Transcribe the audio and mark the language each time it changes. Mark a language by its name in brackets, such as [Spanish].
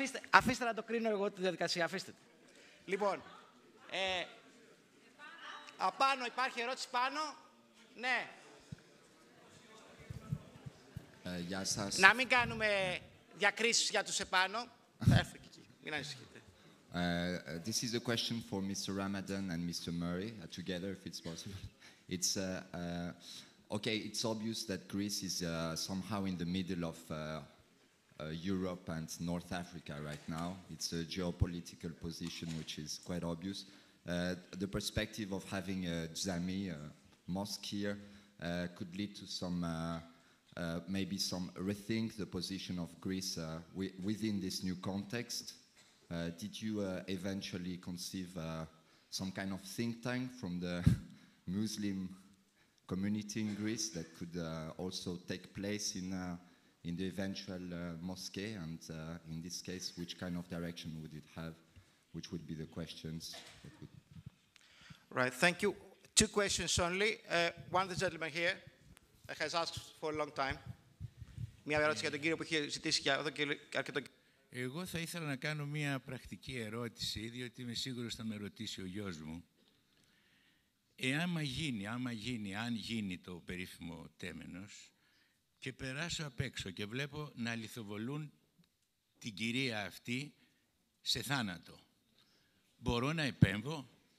[Greek] Αφήστε να το κρίνω εγώ τη διαδικασία. Αφήστε. Λοιπόν. Απάνω, υπάρχει ερώτηση πάνω. Ναι. Γεια σας. Να μην κάνουμε διακρίσεις για τους επάνω. Μην ανησυχείτε. [English] This is a question for Mr. Ramadan and Mr. Murray, together, if it's possible. It's, okay, it's obvious that Greece is somehow in the middle of Europe and North Africa right now. It's a geopolitical position which is quite obvious. The perspective of having a Jami mosque here could lead to some maybe some rethink the position of Greece within this new context. Did you eventually conceive some kind of think tank from the Muslim community in Greece that could also take place in the eventual mosque? And in this case, which kind of direction would it have? Which would be the questions? Right, thank you. Two questions only. One, the gentleman here has asked for a long time. [Greek] Μια ερώτηση για τον κύριο που είχε ζητήσει για εδώ και αρκετό. Εγώ θα ήθελα να κάνω μια πρακτική ερώτηση, διότι είμαι σίγουρος θα με ρωτήσει ο γιος μου. Αν γίνει το περίφημο τέμενος και περάσω απ' έξω και βλέπω να λιθοβολούν την κυρία αυτή σε θάνατο, μπορώ να επέμβω?